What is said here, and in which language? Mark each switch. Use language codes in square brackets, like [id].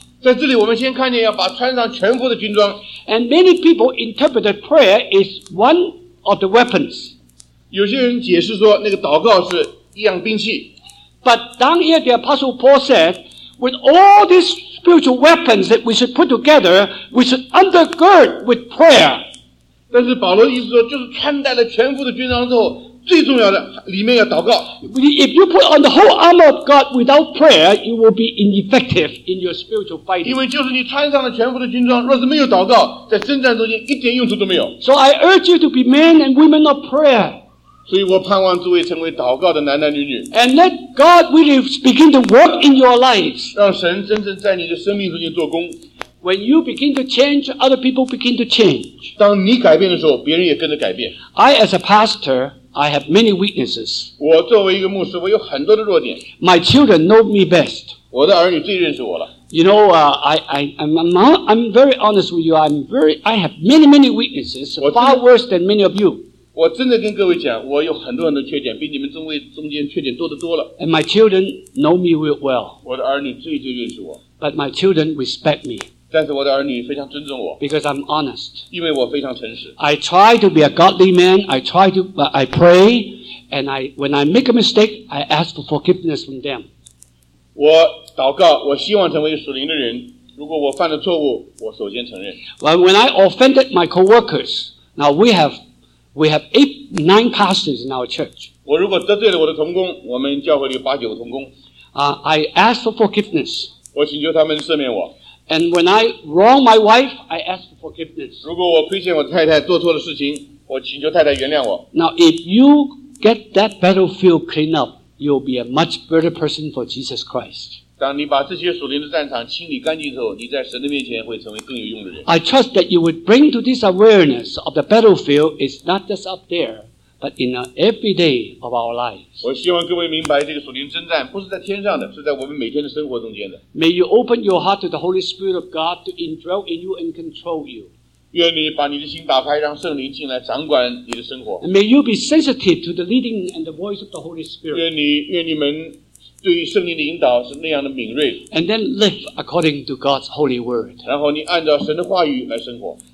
[zh] 在这里，我们先看见要把穿上全副的军装。 [en] And many people interpret that prayer is one. Of the weapons. [zh] 有些人解释说那个祷告是一样兵器。 [en] But down here the Apostle Paul said, with all these spiritual weapons that we should put together, we should undergird with prayer. [zh] 但是保罗的意思说就是穿戴了全副的军装之后最重要的里面要祷告。 [en] If you put on the whole armor of God without prayer, you will be ineffective in your spiritual fighting. [zh] 因为就是你穿上了全副的军装，若是没有祷告，在征战中间一点用处都没有。 [en] So I urge you to be men and women of prayer. [zh] 所以我盼望诸位成为祷告的男男女女。 [en] And let God really begin to work in your lives. [zh] 让神真正在你的生命中间做工。 [en] When you begin to change, other people begin to change. [zh] 当你改变的时候，别人也跟着改变。 [en] I, as a pastor,I have many weaknesses. [zh] 我作为一个牧师，我有很多的弱点。 [en] My children know me best. [zh] 我的儿女最认识我了。 [en] You know, I'm very honest with you. I have many, many weaknesses, far worse than many of you. [zh] 我真的跟各位讲，我有很多很多缺点，比你们中间缺点多得多了。 [en] And my children know me well. [zh] 我的儿女最认识我。 [en] But my children respect me. [zh] 但是我的儿女非常尊重我 [en] because I'm honest [zh] 因为我非常诚实 [en] I try to be a godly man I try to I pray and when I make a mistake I ask for forgiveness from them [zh] 我祷告我希望成为属灵的人如果我犯了错误我首先承认 [en] well, when I offended my co-workers now we have 8-9 pastors in our church [zh] 我如果得罪了我的同工我们教会里有八九个同工 [en] I ask for forgiveness [zh] 我请求他们赦免我 [en] And when I wrong my wife, I ask for forgiveness. [zh] 如果我亏欠我太太做错的事情，我请求太太原谅我。 [en] Now, if you get that battlefield cleaned up, you'll be a much better person for Jesus Christ. [zh] 当你把这些属灵的战场清理干净之后，你在神的面前会成为更有用的人。 [en] I trust that you would bring to this awareness of the battlefield is not just up there. But in every day of our lives. [zh] 我希望各位明白这个属灵征战不是在天上的是在我们每天的生活中间的。 [en] May you open your heart to the Holy Spirit of God to indwell in you and control you. [zh] 愿你把你的心打开让圣灵进来掌管你的生活。 [en] And may you be sensitive to the leading and the voice of the Holy Spirit. [zh] 愿你们对于圣灵的引导是那样的敏锐。 [en] And then live according to God's holy word. [zh] 然后你按照神的话语来生活。